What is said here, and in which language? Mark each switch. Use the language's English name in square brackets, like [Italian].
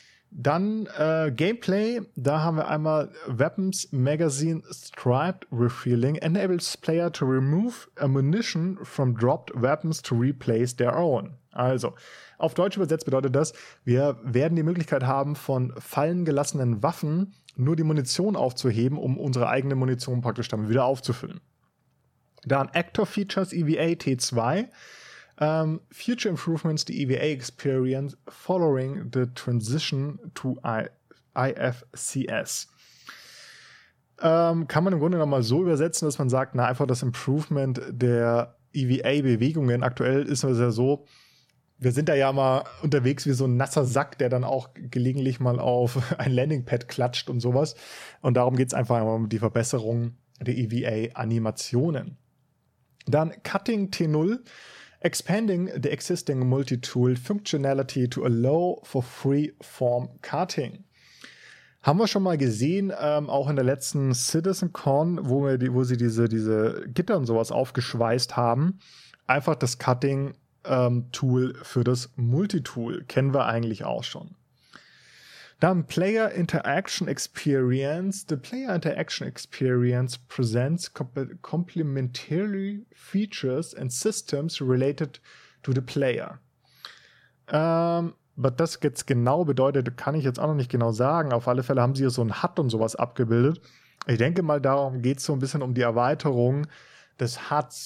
[German] Dann Gameplay, da haben wir einmal [English] Weapons Magazine Striped Refilling enables player to remove ammunition from dropped weapons to replace their own. [German] Also, auf Deutsch übersetzt bedeutet das, wir werden die Möglichkeit haben, von fallen gelassenen Waffen nur die Munition aufzuheben, um unsere eigene Munition praktisch dann wieder aufzufüllen. Dann [English] Actor Features EVA T2. Future Improvements the EVA Experience following the transition to IFCS. [German] Kann man im Grunde nochmal so übersetzen, dass man sagt, na, einfach das Improvement der EVA-Bewegungen. Aktuell ist es ja so, wir sind da ja mal unterwegs wie so ein nasser Sack, der dann auch gelegentlich mal auf ein Landingpad klatscht und sowas. Und darum geht es einfach um die Verbesserung der EVA-Animationen. Dann [English] Cutting T0. Expanding the existing Multi-Tool Functionality to allow for Free-Form Cutting. [German] Haben wir schon mal gesehen, auch in der letzten CitizenCon, wo sie diese Gitter und sowas aufgeschweißt haben. Einfach das Cutting-Tool für das Multi-Tool. Kennen wir eigentlich auch schon. Dann Player Interaction Experience. [English] The Player Interaction Experience presents complementary features and systems related to the player. [German] Was das jetzt genau bedeutet, kann ich jetzt auch noch nicht genau sagen. Auf alle Fälle haben sie hier so ein HUD und sowas abgebildet. Ich denke mal, darum geht es so ein bisschen um die Erweiterung des HUDs.